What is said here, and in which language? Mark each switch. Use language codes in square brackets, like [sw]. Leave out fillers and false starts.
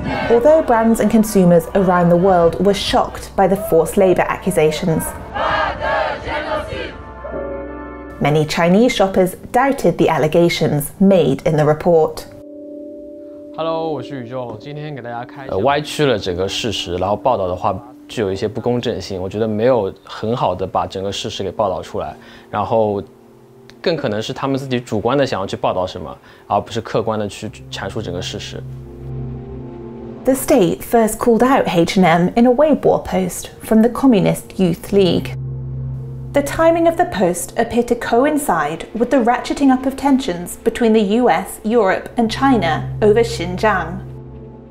[en] Although brands and consumers around the world were shocked by the forced labour accusations,Many Chinese shoppers doubted the allegations made in the report. Hello, [zh] 我是宇宙，今天给大家开箱。歪曲了整个事实，然后报道的话具有一些不公正性，我觉得没有很好的把整个事实给报道出来，然后更可能是他们自己主观的想要去报道什么，而不是客观的去阐述整个事实。 [en] The state first called out H&M in a Weibo post from the Communist Youth League. The timing of the post appeared to coincide with the ratcheting up of tensions between the US, Europe and China over Xinjiang.